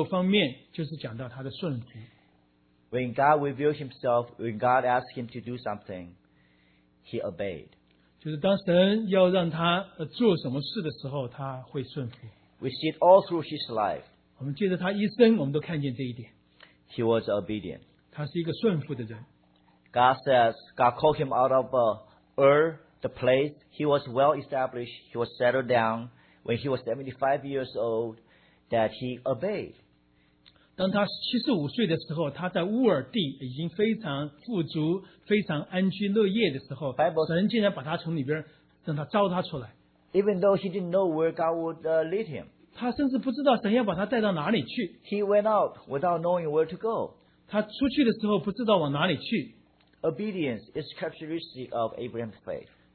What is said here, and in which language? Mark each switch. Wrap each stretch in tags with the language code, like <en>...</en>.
<zh>那么亚伯拉罕的信心的第二个方面就是讲到他的顺服。</zh> <en>When God revealed himself, when God asked him to do something, he obeyed.</en> <zh>就是当神要让他做什么事的时候,他会顺服。</zh> <en>We see it all through his life.</en> <zh>我们借着他一生,我们都看见这一点。</zh> <en>He was obedient.</en> <zh>他是一个顺服的人。</zh> <en>God says, God called him out of the place. He was well established. He was settled down. When he was 75 years old, that he obeyed.</en> <zh>当他75岁的时候,他在乌尔地已经非常富足,非常安居乐业的时候,</zh> <en>Bible,</en> <zh>神竟然把他从里边,让他招他出来。</zh> <en>Even though he didn't know where God would lead him.</en> <zh>他甚至不知道神要把他带到哪里去。</zh> <en>He went out without knowing where to go.</en> <zh>他出去的时候不知道往哪里去。</zh> <en>Obedience is characteristic of Abraham's faith.</en>